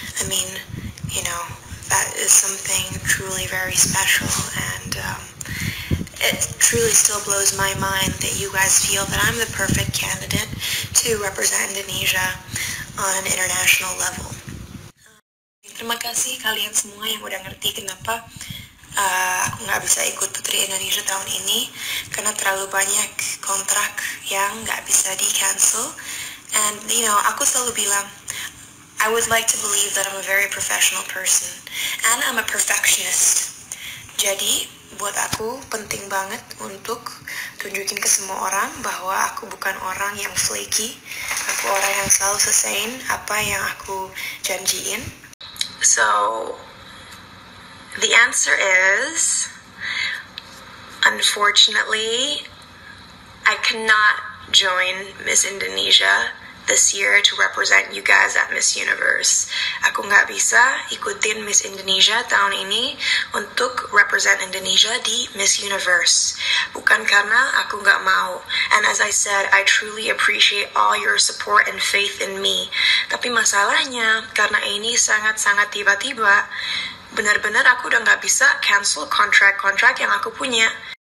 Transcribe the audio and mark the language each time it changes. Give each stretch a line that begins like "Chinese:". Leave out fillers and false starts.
English: I mean, you know, that is something truly very special, and it truly still blows my mind that you guys feel that I'm the perfect candidate to represent Indonesia on an international level.
Indonesian: Terima kasih kalian semua yang udah ngerti kenapa aku gak bisa ikut Putri Indonesia tahun ini, karena terlalu banyak kontrak yang gak bisa di cancel.
English: And you know,
Indonesian: aku selalu bilang,
English: I would like to believe that I'm a very professional person and I'm a perfectionist.
Indonesian: Jadi buat aku penting banget untuk tunjukin ke semua orang bahwa aku bukan orang yang flaky. Aku orang yang selalu selesaiin apa yang aku janjiin.
English: So, the answer is, unfortunately, I cannot join Miss Indonesia this year to represent you guys at Miss Universe.
Indonesian: Aku gak bisa ikutin Miss Indonesia tahun ini untuk represent Indonesia di Miss Universe. Bukan karena aku gak mau.
English: And as I said, I truly appreciate all your support and faith in me.
Indonesian: Tapi masalahnya, karena ini sangat-sangat tiba-tiba, benar-benar aku udah gak bisa cancel kontrak-kontrak yang aku punya.